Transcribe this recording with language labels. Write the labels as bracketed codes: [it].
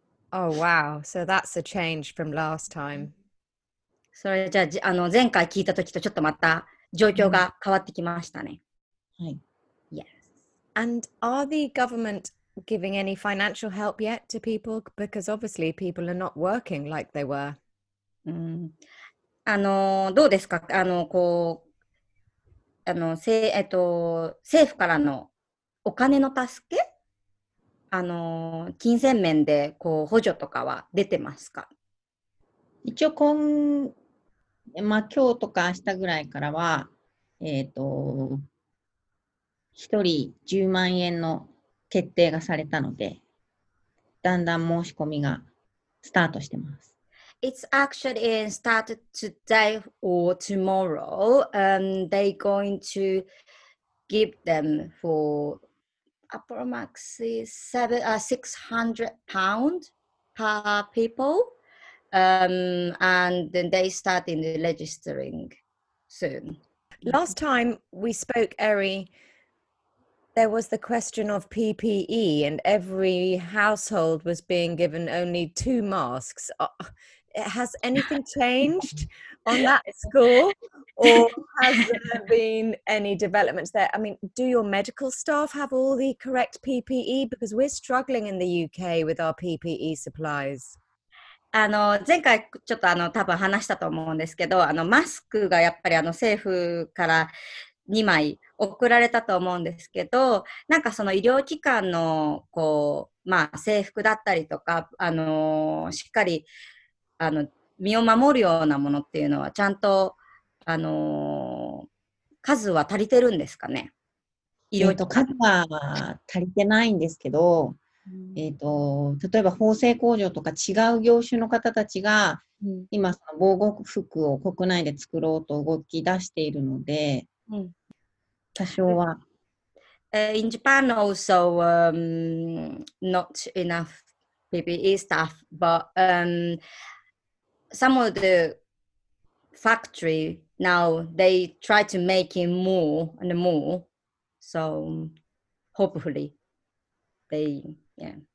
[en] Oh wow, so that's a change from last time. [ja] それじゃあ、 あの前回聞いた時とちょっとまた状況が変わってきましたね。はい。 [en] Yes. And are the government giving any financial help yet to people? Because obviously people are not working like they were. [ja] あのどうですか、あのこう政府からのお金の助け、金銭面でこう補助とかは出てますか？一応まあ、今日とか明日ぐらいからは、1人10万円の決定がされたので、だんだん申し込みがスタートしてます。 [en] It's actually started today or tomorrow. They're going to give them for approximately £600 per people. And then they start in the registering soon. Last time we spoke, Eri, there was the question of PPE, and every household was being given only 2 masks. Has anything changed on that score, or has there been any developments there? I mean, do your medical staff have all the correct PPE? Because we're struggling in the UK with our PPE supplies. [ja] 前回ちょっと多分話したと思うんですけど、マスクがやっぱり政府から2枚送られたと思うんですけど、なんかその医療機関のこう、まあ、制服だったりとか、しっかり身を守るようなものっていうのはちゃんと数は足りてるんですかね。いろいろ数は足りてないんですけど、例えば縫製工場とか違う業種の方たちが今その防護服を国内で作ろうと動き出しているので、多少は。 [en] In Japan also not enough PPE stuff, but Some of the factory now they try to make it more and more. So hopefully they, yeah.